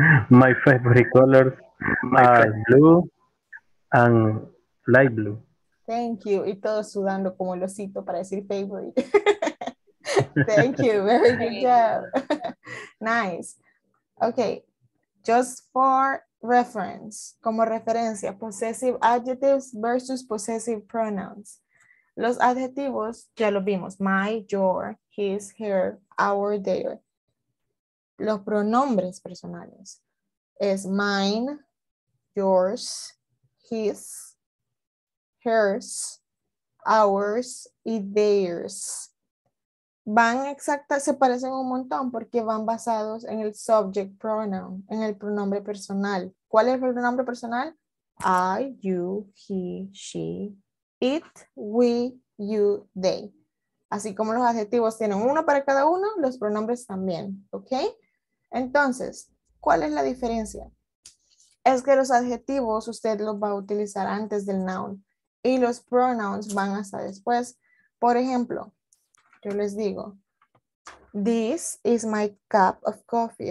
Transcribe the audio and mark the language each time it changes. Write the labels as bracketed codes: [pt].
[en] My favorite colors are blue and light blue. Thank you. [es] Y todos sudando como el osito para decir favorite. [en] Thank you. Very good job. Nice. Okay. Just for reference, [es] como referencia, [en] possessive adjectives versus possessive pronouns. [es] Los adjetivos, ya lo vimos. [en] My, your, his, her, our, their. [es] Los pronombres personales es [en] mine, yours, his, hers, ours [es] y [en] theirs. [es] Van exactas, se parecen un montón porque van basados en el subject pronoun, en el pronombre personal. ¿Cuál es el pronombre personal? [en] I, you, he, she, it, we, you, they. [es] Así como los adjetivos tienen uno para cada uno, los pronombres también, ¿ok? Entonces, ¿cuál es la diferencia? Es que los adjetivos usted los va a utilizar antes del noun y los pronouns van hasta después. Por ejemplo, yo les digo, [en] this is my cup of coffee.